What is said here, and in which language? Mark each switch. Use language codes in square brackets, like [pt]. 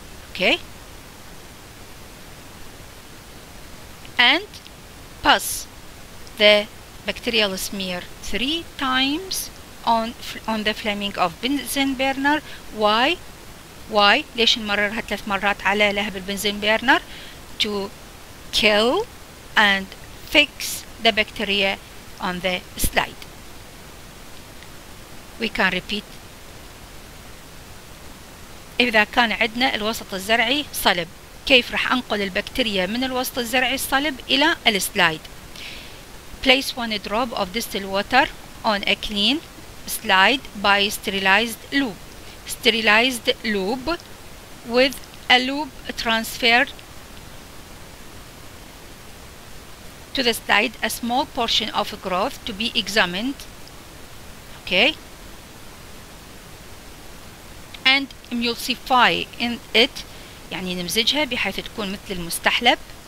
[en] Okay, and pass the bacterial smear 3 times on the flaming of benzene burner. Why? [ar] ليش نمررها 3 مرات على لهب البنزين burner? [en] To kill and fix the bacteria on the slide. We can repeat. [ar] إذا كان عندنا الوسط الزرعي صلب، كيف رح أنقل البكتيريا من الوسط الزرعي الصلب إلى السلايد؟ [en] Place 1 drop of distilled water on a clean slide by sterilized loop. Sterilized loop with a loop transfer to the slide a small portion of growth to be examined. Okay. And emulsify in it, [ar] يعني نمزجها بحيث تكون مثل المستحلب.